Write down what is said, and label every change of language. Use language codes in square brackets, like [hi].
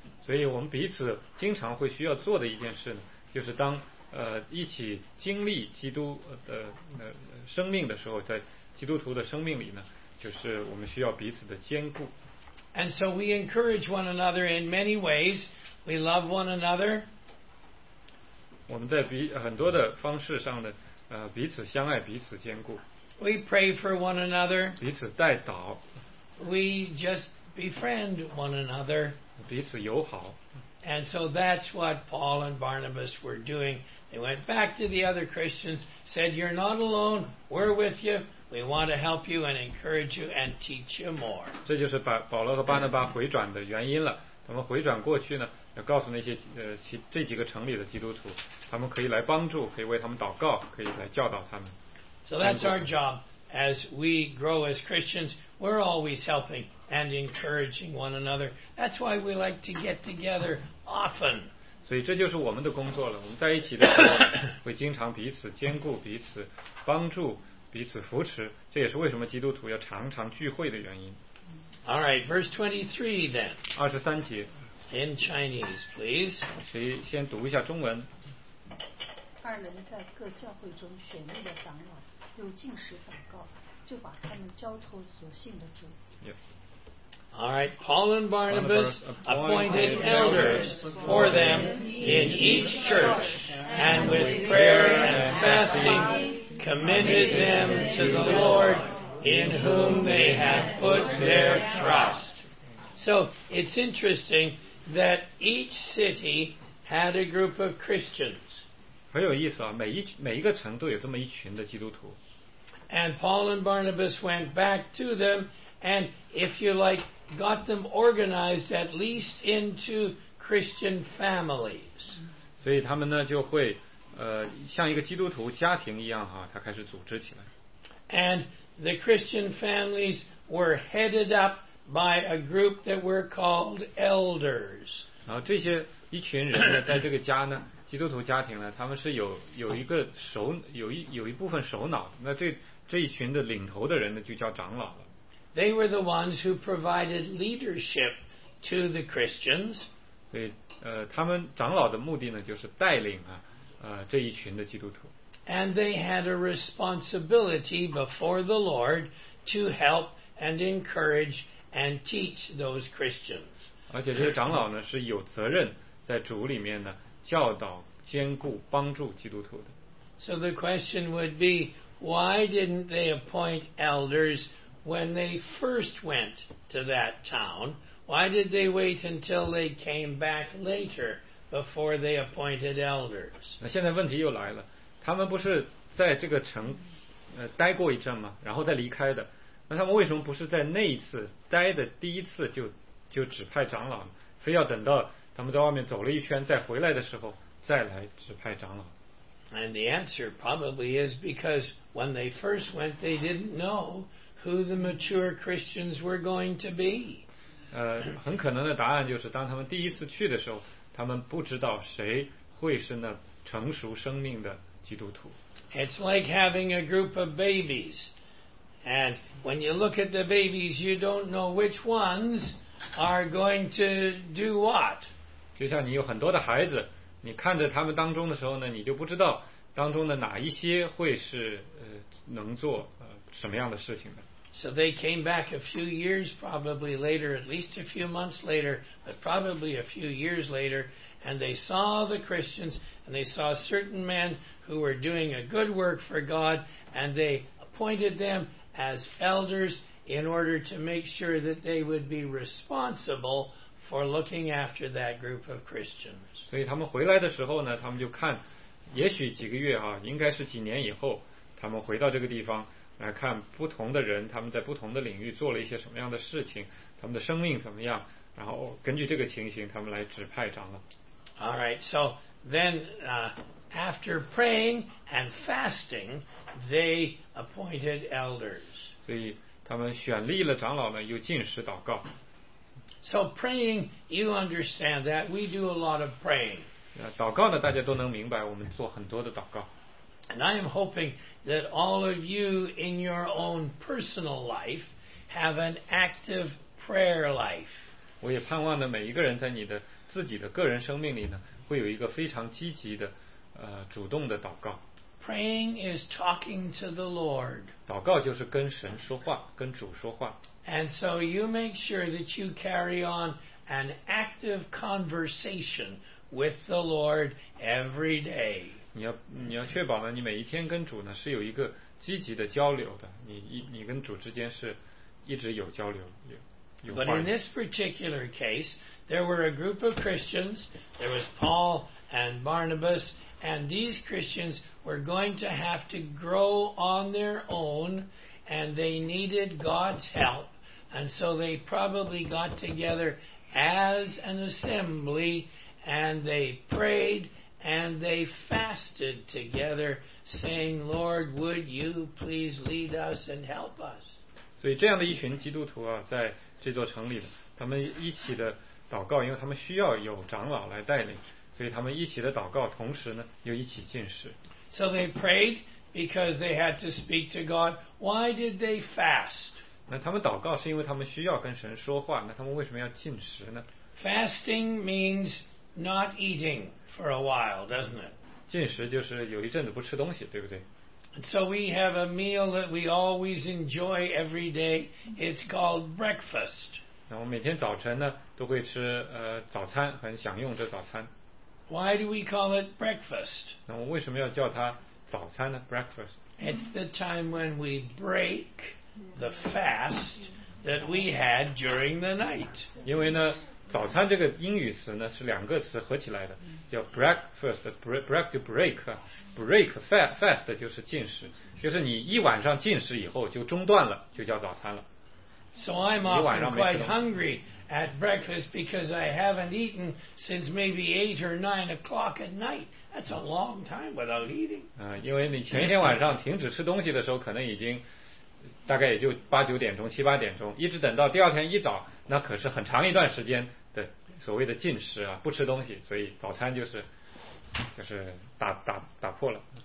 [zh] 所以我们彼此经常会需要做的一件事呢，就是当一起经历基督的生命的时候，在基督徒的生命里呢。就是我们需要彼此的坚固。 [en] And so we encourage one another in many ways. We love one another. [zh] 我们在很多的方式上的彼此相爱，彼此坚固。 [en] We pray for one another. [zh] 彼此代祷。 [en] We just befriend one another. [zh] 彼此友好。 [en] And so that's what Paul and Barnabas were doing. They went back to the other Christians, said, "You're not alone. We're with you." We want to help you and encourage you and teach you more. [zh] 这就是保罗和巴拿巴回转的原因了。他们回转过去呢，要告诉那些这几个城里的基督徒，他们可以来帮助，可以为他们祷告，可以来教导他们。 [en] So that's our job as we grow as Christians. We're always helping and encouraging one another. That's why we like to get together often. [zh] 所以这就是我们的工作了。我们在一起的时候，会经常彼此兼顾，彼此帮助。彼此扶持，这也是为什么基督徒要常常聚会的原因。 [en] All right, verse 23 then. [zh] 二十三节。 [en] In Chinese, please. [zh] 谁先读一下中文？二人在各教会中选立了长老，又进食祷告，就把他们交托所信的主。 [en] Yeah. All right, Paul and Barnabas appointed elders for them in each church, and with prayer and fasting committed them to the Lord in whom they had put their trust. So it's interesting. That each city had a group of Christians. [zh] 很有意思啊，每一个城都有这么一群的基督徒。 [en] And Paul and Barnabas went back to them, and if you like, got them organized at least into Christian families. [zh] 所以他们呢就会像一个基督徒家庭一样哈，他开始组织起来。 [en] And the Christian families were headed up. By a group that were called elders. [zh] 然后这些一群人呢，在这个家呢，基督徒家庭呢，他们是有一部分首脑。那这一群的领头的人呢，就叫长老了。 [en] They were the ones who provided leadership to the Christians. [zh] 对，他们长老的目的呢，就是带领啊，这一群的基督徒。 [en] And they had a responsibility before the Lord to help and encourage. And teach those Christians. [zh] 而且这些长老呢是有责任在主里面呢教导、兼顾、帮助基督徒的。 [en] So the question would be, why didn't they appoint elders when they first went to that town? Why did they wait until they came back later before they appointed elders? [zh] 那现在问题又来了，他们不是在这个城待过一阵吗？然后再离开的。那他们为什么不是在那一次待的第一次就指派长老，非要等到他们在外面走了一圈再回来的时候再来指派长老？ [en] And the answer probably is because when they first went, they didn't know who the mature Christians were going to be. [zh] 很可能的答案就是当他们第一次去的时候，他们不知道谁会是那成熟生命的基督徒。 [en] It's like having a group of babies. And when you look at the babies, you don't know which ones are going to do what. [zh] 就像你有很多的孩子，你看着他们当中的时候呢，你就不知道当中的哪一些会是能做什么样的事情的。 [en] So they came back a few years, probably later, at least a few months later, but probably a few years later, and they saw the Christians, and they saw certain men who were doing a good work for God, and they appointed them. As elders, in order to make sure that they would be responsible for looking after that group of Christians. [zh] 所以他们回来的时候呢，他们就看，也许几个月哈，应该是几年以后，他们回到这个地方来看不同的人，他们在不同的领域做了一些什么样的事情，他们的生命怎么样，然后根据这个情形，他们来指派长老。 [en] All right, so then, after praying and fasting. They appointed elders. [zh] 所以他们选立了长老呢，又进食祷告。 [en] So praying, you understand that we do a lot of praying. [zh] 祷告呢，大家都能明白，我们做很多的祷告。 [en] And I am hoping that all of you in your own personal life have an active prayer life. [zh] 我也盼望呢，每一个人在你的自己的个人生命里呢，会有一个非常积极的、主动的祷告。 [en] Praying is talking to the Lord. [zh] 祷告就是跟神说话，跟主说话。 [en] And so you make sure that you carry on an active conversation with the Lord every day. [zh] 你要确保呢，你每一天跟主呢是有一个积极的交流的。你跟主之间是一直有交流，有话。 [en] But in this particular case, there were a group of Christians. There was Paul and Barnabas. And these Christians were going to have to grow on their own, and they needed God's help. And so they probably got together as an assembly, and they prayed, and they fasted together, saying, Lord, would you please lead us and help us? [zh] 所以这样的一群基督徒啊，在这座城里的，他们一起的祷告，因为他们需要有长老来带领。所以他们一起的祷告，同时呢又一起进食。 [en] So they prayed, because they had to speak to God. Why did they fast? [zh] 那他们祷告是因为他们需要跟神说话，那他们为什么要禁食呢？ [en] Fasting means not eating for a while, doesn't it? [zh] 禁食就是有一阵子不吃东西，对不对？ [en] So we have a meal that we always enjoy every day. It's called breakfast. [zh] 那我每天早晨呢，都会吃早餐，很享用这早餐。 [en] Why do we call it breakfast? [zh] 那我为什么要叫它早餐呢？ [en] Breakfast. It's the time when we break the fast that we had during the night. [zh] 因为呢，早餐这个英语词呢是两个词合起来的，叫 breakfast. [en] Break to break, break fast [zh] 就是禁食，就是你一晚上禁食以后就中断了，就叫早餐了。 [en] So I'm often quite hungry at breakfast because I haven't eaten since maybe 8 or 9 o'clock at night. That's a long time without eating. [zh] 因为你前一天晚上停止吃东西的时候，可能已经大概也就八九点钟、七八点钟，一直等到第二天一早，那可是很长一段时间的所谓的禁食啊，不吃东西，所以早餐就是打破了。